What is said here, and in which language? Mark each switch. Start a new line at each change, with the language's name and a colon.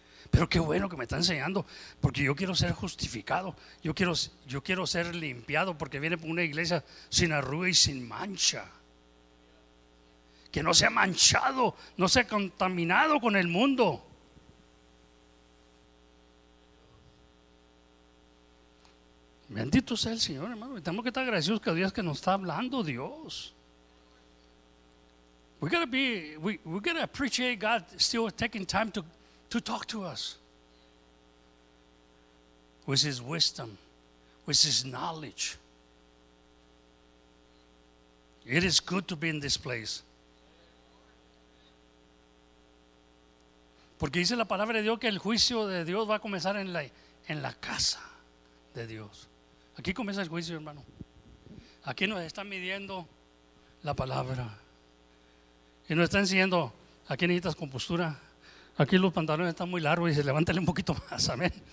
Spanish: Pero qué bueno que me está enseñando, porque yo quiero ser justificado, yo quiero ser limpiado, porque viene por una iglesia sin arruga y sin mancha, que no sea manchado, no sea contaminado con el mundo. Bendito sea el Señor, hermano. Tenemos que estar agradecidos que Dios, que nos está hablando Dios.
English: We gotta appreciate God still taking time to talk to us with His wisdom, with His knowledge. It is good to be in this place.
Spanish: Porque dice la palabra de Dios que el juicio de Dios va a comenzar en la casa de Dios. Aquí comienza el juicio, hermano. Aquí nos está midiendo la palabra. Y nos está enseñando, aquí necesitas compostura. Aquí los pantalones están muy largos y se levántale un poquito más, amén.